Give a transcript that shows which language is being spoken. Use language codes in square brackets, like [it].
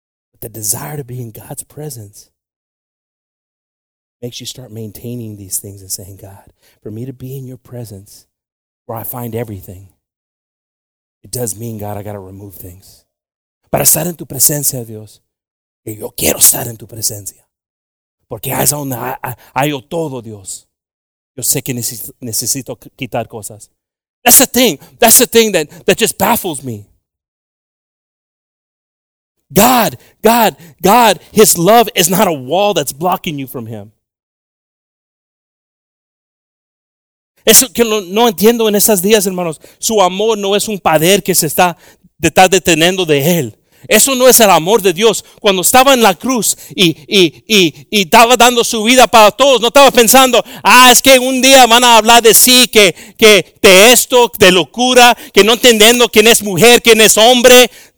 [en] But the desire to be in God's presence makes you start maintaining these things and saying, God, for me to be in your presence where I find everything, it does mean, God, I got to remove things. [es] Para estar en tu presencia, Dios, yo quiero estar en tu presencia. Porque es donde hay todo, Dios. Yo sé que necesito quitar cosas. [en] That's the thing. That's the thing that just baffles me. God, his love is not a wall that's blocking you from him. [es] Eso que no entiendo en esos días, hermanos. Su amor no es un padre que se está deteniendo de él. Eso no es el amor de Dios. Cuando estaba en la cruz y estaba dando su vida para todos, no estaba pensando, es que un día van a hablar de sí, que de esto, de locura, que no entendiendo quién es mujer, quién es hombre.